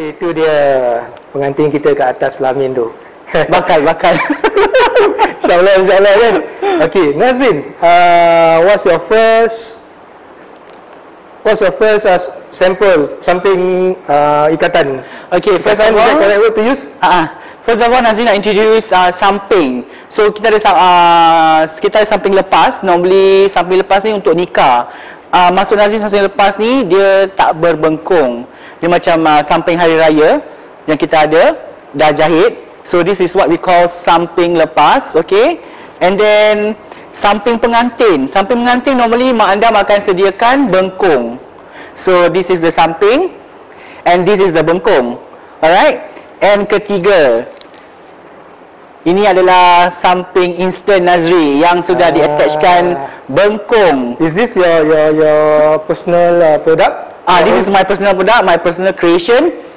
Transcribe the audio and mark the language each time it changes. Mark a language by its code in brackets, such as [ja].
[ms] Itu dia pengantin kita kat atas pelamin tu. Bakal, bakal. InsyaAllah, insyaAllah kan. [en] Okay, Nazrin, what's your first, what's your first sample, something ikatan? Okay, first time is the correct word to use? First of all, [ms] Nazrin nak introduce samping. So, kita ada, kita ada samping lepas. Normally, samping lepas ni untuk nikah. Maksud Nazrin samping lepas ni, dia tak berbengkung. Dia macam samping hari raya yang kita ada, dah jahit. [en] So, this is what we call samping lepas, okay? And then, [ms] samping pengantin. Samping pengantin, normally, mak anda akan sediakan bengkung. [en] So, this is the samping. And this is the bengkung. Alright? [ms] And ketiga, ini adalah samping instant Nazri yang sudah diattachkan bengkung. [en] Is this your personal product? This is my personal product, my personal creation.